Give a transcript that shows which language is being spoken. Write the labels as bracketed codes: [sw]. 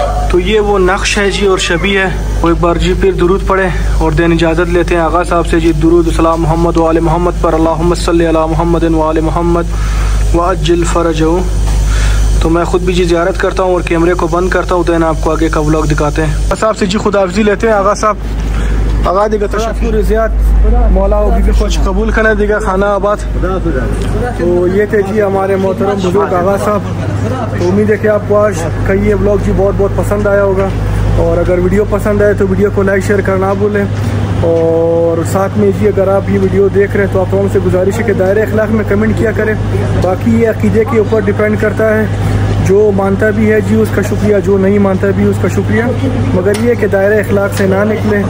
[ur] تو یہ وہ نقش ہے جی اور شبی ہے، وہ ایک بار جی پھر درود پڑھے اور دین اجازت لیتے ہیں آغا صاحب سے جی. درود و سلام محمد و آل محمد پر، [ar] اللہم صلی علی محمد و آل محمد و اجل فرجو. [ur] تو میں خود بھی جی زیارت کرتا ہوں اور کیمرے کو بند کرتا ہوں، دین آپ کو آگے کا ولاگ دکھاتے ہیں. آغا صاحب سے جی خدا حافظی لیتے ہیں آغا صاحب. [fa] آغا دیگا تشکر زیاد، مولا و بی بی خوش قبول کنے دیگا خانہ آباد. [ur] تو یہ تھے جی ہمارے محترم بزرگ آغا صاحب. امید ہے کہ آپ کو آج کا یہ ولاگ جی بہت بہت پسند آیا ہوگا، اور اگر ویڈیو پسند آئے تو ویڈیو کو لائک شیئر کرنا بھولیں، اور ساتھ میں جی اگر آپ یہ ویڈیو دیکھ رہے ہیں تو آپ ہم سے گزارش ہے کہ دائرہ اخلاق میں کمنٹ کیا کریں. باقی یہ عقیدے کے اوپر ڈپینڈ کرتا ہے، جو مانتا بھی ہے جی اس کا شکریہ، جو نہیں مانتا بھی اس کا شکریہ، مگر یہ کہ دائرہ اخلاق سے نہ نکلیں.